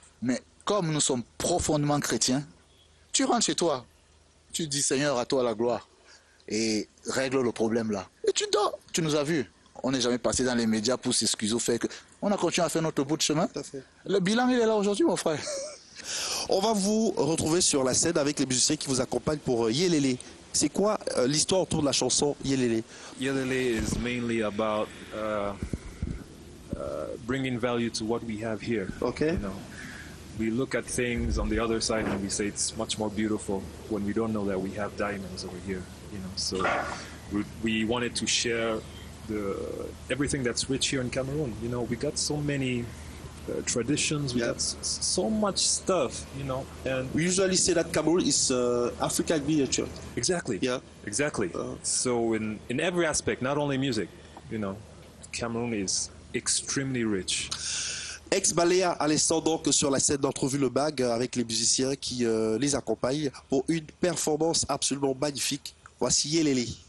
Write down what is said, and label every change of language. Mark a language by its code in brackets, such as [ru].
[fr] Mais comme nous sommes profondément chrétiens, tu rentres chez toi, tu dis Seigneur à toi la gloire et règle le problème là. Et tu dors, tu nous as vus. On n'est jamais passé dans les médias pour s'excuser au fait que... On a continué à faire notre bout de chemin. Tout à fait. Le bilan, il est là aujourd'hui, mon frère. On va vous retrouver sur la scène avec les musiciens qui vous accompagnent pour Yelele. C'est quoi l'histoire autour de la chanson Yelele? [en] Yelele is mainly about bringing value to what we have here. Okay. You know, we look at things on the other side and we say it's much more beautiful when we don't know that we have diamonds over here. You know, so we wanted to share the everything that's rich here in Cameroon. You know, we got so many traditions. We got so much stuff. You know, and we usually say that Cameroon is Africa's miniature. Exactly. Yeah. Exactly. So in every aspect, not only music, you know, Cameroon is extremely rich. [fr] Ex Baléa à l'instant donc sur la scène d'Entrevue Le Mag avec les musiciens qui les accompagnent pour une performance absolument magnifique. Voici Yelele.